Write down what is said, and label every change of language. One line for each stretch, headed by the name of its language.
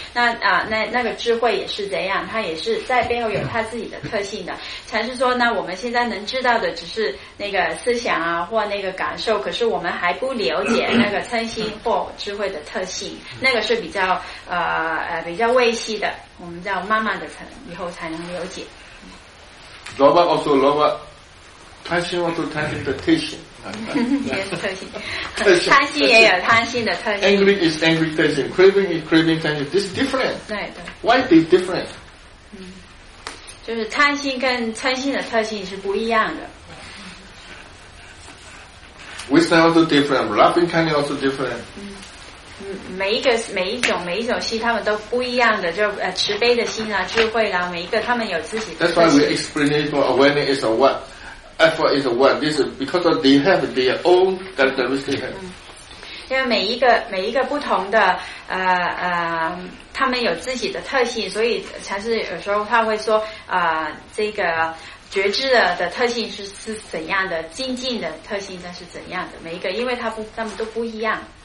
Chinese: 那个智慧也是这样，它也是在背后有它自己的特性的。禅师说呢，我们现在能知道的只是那个思想啊，或那个感受，可是我们还不了解那个嗔心或智慧的特性，那个是比较微细的，我们叫慢慢的才以后才能了解。
English: Lava also lava, tension also tension the tension.
Chinese: 也是特性，贪心也有贪心的特性。
English: Angry is angry 特性 ，craving is craving 特性。This is different.
Chinese: 对对。
English: Why be different?
Chinese: 就是贪心跟嗔心的特性是不一样的。
English: Wisdom also different. Loving kindness also different.
Chinese: 每一种心，他们都不一样的，就慈悲的心啊，智慧啦、啊，每一个他们有自己的。
English: That's why we explain it for awareness is a one, effort is a one. This is because of they have their own characteristic.
Chinese: 因为每一个不同的他们有自己的特性，所以才是有时候他会说这个觉知的特性是怎样的，精进的特性那是怎样的，每一个，因为他们都不一样。